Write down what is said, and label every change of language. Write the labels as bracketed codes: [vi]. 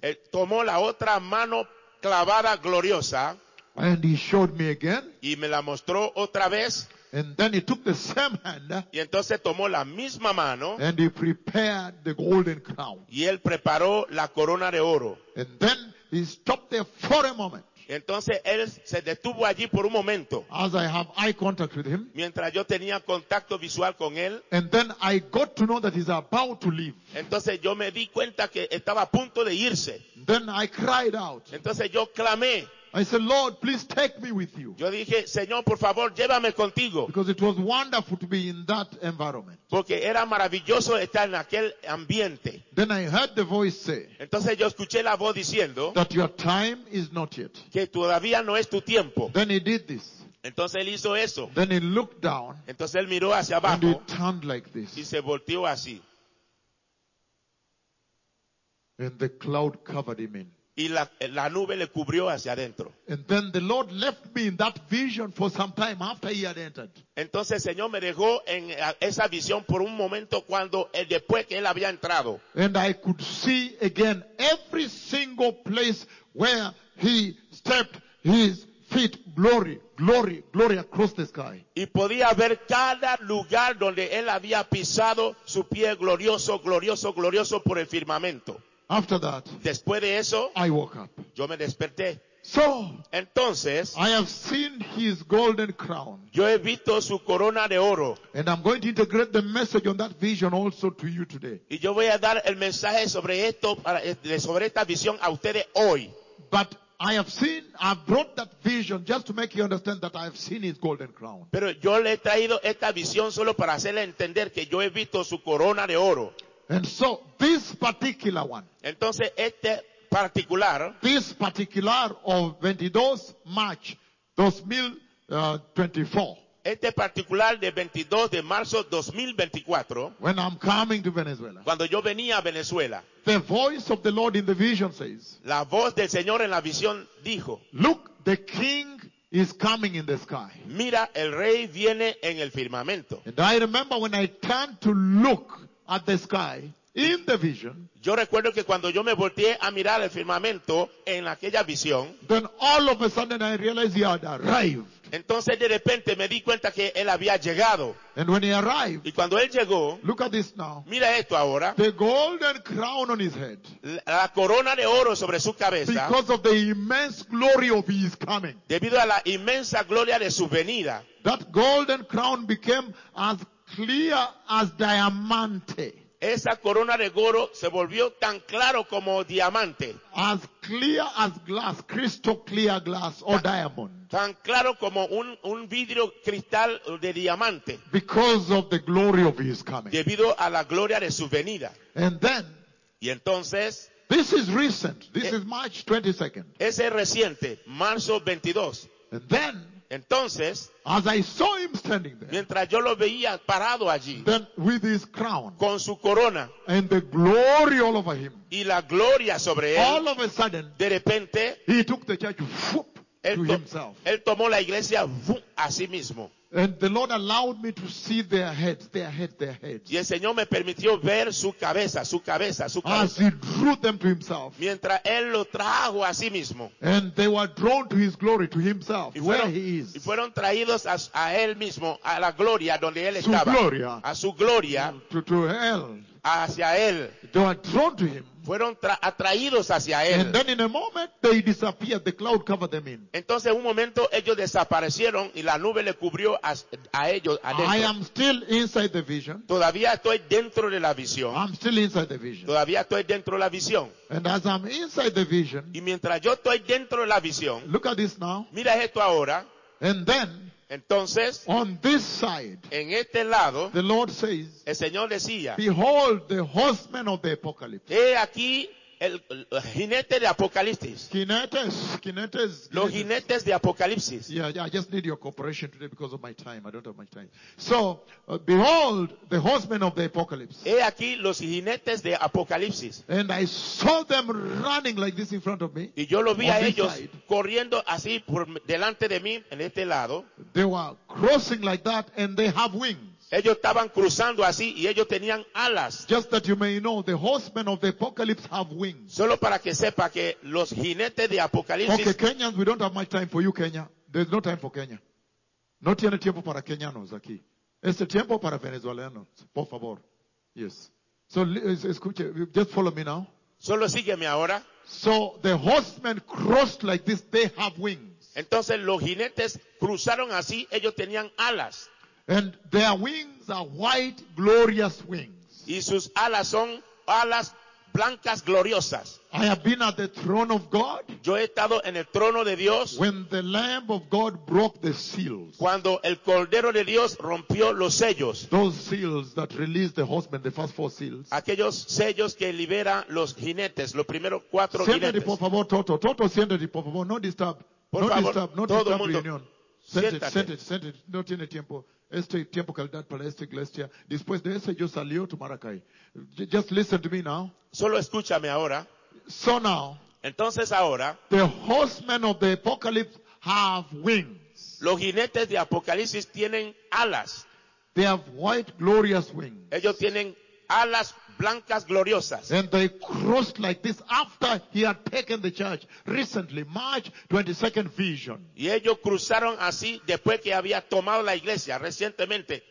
[es] Él tomó la otra mano clavada gloriosa. [en] And he showed me again. [es] Y me la mostró otra vez. [en] And then he took the same hand, [es] y entonces tomó la misma mano, [en] and he prepared the golden crown. [es] Y él preparó la corona de oro. [en] And then he stopped there for a moment. [es] Entonces él se detuvo allí por un momento. [en] As I have eye contact with him, [es] mientras yo tenía contacto visual con él. [en] And then I got to know that he's about to leave. [es] Entonces yo me di cuenta que estaba a punto de irse. [en] Then I cried out. [es] Entonces yo clamé. [en] I said, Lord, please take me with you. [es] Yo dije, Señor, por favor, llévame contigo. [en] Because it was wonderful to be in that environment. [es] Porque era maravilloso estar en aquel ambiente. [en] Then I heard the voice say, [es] entonces yo escuché la voz diciendo, [en] that your time is not yet. [es] Que todavía no es tu tiempo. [en] Then he did this. [es] Entonces él hizo eso. [en] Then he looked down. [es] Entonces él miró hacia abajo. [en] And he turned like this. [es] Y se volteó así. [en] And the cloud covered him in. [es] Y la nube le cubrió hacia adentro. [en] And then the Lord left me in that vision for some time after he had entered. [es] Entonces el Señor me dejó en esa visión por un momento cuando después que él había entrado. [en] And I could see again every single place where he stepped his feet, glory, glory, glory across the sky. [es] Y podía ver cada lugar donde él había pisado su pie glorioso, glorioso, glorioso por el firmamento. [en] After that, [es] después de eso, [en] I woke up. [es] Yo me desperté. [en] So, [es] entonces, [en] I have seen his golden crown. [es] Yo he visto su corona de oro. [en] And I'm going to integrate the message on that vision also to you today. [es] Y yo voy a dar el mensaje sobre esto, sobre esta visión a ustedes hoy. [en] But I've brought that vision just to make you understand that I've seen his golden crown. [es] Pero yo le he traído esta visión solo para hacerle entender que yo he visto su corona de oro. [en] And so this particular one. [es] Entonces este particular. [en] This particular of 22 March 2024. [es] Este particular de 22 de marzo 2024. [en] When I'm coming to Venezuela. [es] Cuando yo venía a Venezuela. [en] The voice of the Lord in the vision says. [es] La voz del Señor en la visión dijo. [en] Look, the king is coming in the sky. [es] Mira, el rey viene en el firmamento. [en] And I remember when I turned to look at the sky in the vision. [es] Yo recuerdo que cuando yo me volteé a mirar el firmamento en aquella visión, [en] then all of a sudden I realized he had arrived. [es] Entonces de repente me di cuenta que él había llegado. [en] And when he arrived, [es] y cuando él llegó, [en] look at this now. [es] Mira esto ahora. [en] The golden crown on his head. [es] La corona de oro sobre su cabeza. [en] Because of the immense glory of his coming. [es] Debido a la inmensa gloria de su venida. [en] That golden crown became as clear as diamante. [es] Esa corona de oro se volvió tan claro como diamante. [en] As clear as glass, crystal clear glass or diamond. [es] Tan claro como un vidrio cristal de diamante. [en] Because of the glory of his coming. [es] Debido a la gloria de su venida. [en] And then, [es] y entonces, [en] this is recent. This is March 22nd. [es] Ese es reciente, marzo 22. [en] And then, [es] entonces, [en] as I saw him standing there, [es] mientras yo lo veía parado allí, [en] then with his crown, [es] con su corona, [en] and the glory all over him, [es] y la gloria sobre él, [en] all of a sudden, [es] de repente, [en] he took the church, whoop, to himself. [es] Él tomó la iglesia, whoop, a sí mismo. [en] And the Lord allowed me to see their heads. [es] Y el Señor me permitió ver su cabeza. [en] As he drew them to himself. [es] Mientras él lo trajo a sí mismo. [en] And they were drawn to his glory, to himself, where he is. [es] Y fueron traídos a él mismo, a la gloria donde él estaba. Su gloria. A su gloria. To él. Hacia él. [en] They were drawn to him. [es] Fueron atraídos hacia él. [en] And then in a moment they disappeared, the cloud covered them in. [es] Entonces en un momento ellos desaparecieron y la nube le cubrió a ellos adentro. [en] I am still inside the vision. [es] Todavía estoy dentro de la visión. [en] I'm still inside the vision. [es] Todavía estoy dentro de la visión. [en] And as I'm inside the vision, [es] y mientras yo estoy dentro de la visión, [en] look at this now. [es] Mira esto ahora. [en] And then, [es] entonces, [en] on this side, [es] en este lado, [en] the Lord says, [es] el Señor decía, [en] behold the horseman of the apocalypse. [es] He aquí el jinete de Apocalipsis. Jinetes. Los jinetes de Apocalipsis. [en] Yeah, I just need your cooperation today because of my time. I don't have much time. So, behold the horsemen of the apocalypse. [es] He aquí los jinetes de Apocalipsis. [en] And I saw them running like this in front of me. [es] Y yo lo vi a ellos corriendo así por delante de mí en este lado. [en] They were crossing like that and they have wings. [es] Ellos estaban cruzando así y ellos tenían alas. [en] Just that you may know, the horsemen of the apocalypse have wings. [es] Solo para que sepa que los jinetes de Apocalipsis. [en] Okay, Kenyans, we don't have much time for you, Kenya. There's no time for Kenya. [es] No tiene tiempo para kenianos aquí. Este tiempo para venezolanos, por favor. Yes. [en] So, escuche, just follow me now. [es] Solo sígueme ahora. [en] So the horsemen crossed like this, they have wings. [es] Entonces los jinetes cruzaron así, ellos tenían alas. [en] And their wings are white, glorious wings. [es] Y sus alas son alas blancas gloriosas. [en] I have been at the throne of God. [es] Yo he estado en el trono de Dios. [en] When the Lamb of God broke the seals. [es] Cuando el Cordero de Dios rompió los sellos. [en] Those seals that release the horsemen, the first four seals. [es] Aquellos sellos que libera los jinetes, los primeros cuatro siéntate, jinetes. Por favor, Toto, siéntate, por favor, no disturb. Por no favor, [en] disturb, no disturb [es] mundo, reunión. Siéntate. No tiene tiempo. Este tiempo calidad para esta iglesia. Después de ese yo salió a Maracay. [en] Just listen to me now. [es] Solo escúchame ahora. [en] So now. [es] Entonces ahora. [en] The horsemen of the apocalypse have wings. [es] Los jinetes de Apocalipsis tienen alas. [en] They have white glorious wings. [es] Ellos tienen alas blancas gloriosas. [en] And they crossed like this after he had taken the charge. Recently, March 22nd vision. [es] Y ellos cruzaron así después que había tomado la iglesia recientemente.